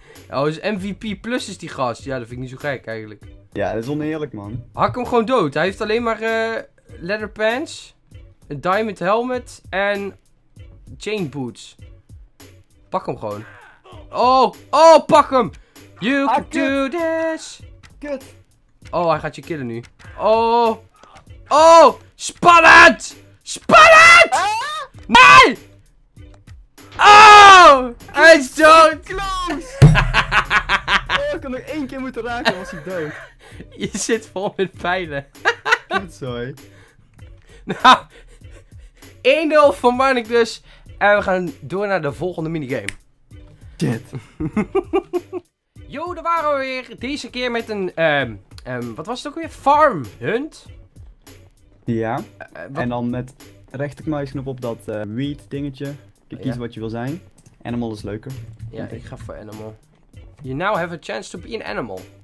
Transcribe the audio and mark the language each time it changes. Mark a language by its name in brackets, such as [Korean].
[Dutch] Oh, is MVP plus is die gast. Ja, dat vind ik niet zo gek eigenlijk. Ja, dat is oneerlijk, man. Hak hem gewoon dood. Hij heeft alleen maar leather pants, een diamond helmet en chain boots. Pak hem gewoon. Oh, oh, pak hem! [English] You can do this! [Dutch] Kut! Oh, hij gaat je killen nu. Oh! Oh! Spannend! Spannend! Nee! Oh! Hij is dood! Close! Ik had nog één keer moeten raken, was hij dood. Je zit vol met pijlen. Kut, sorry. Nou, 1-0 voor Marnik dus. En we gaan door naar de volgende minigame. Shit. Yo, daar waren we weer. Deze keer met een, wat was het ook weer? Farm Hunt? Ja. En dan met rechterknuisknop op dat weed dingetje. Kies wat je wil zijn. Animal is leuker. Ja, ik ga voor animal. [English] You now have a chance to be an animal.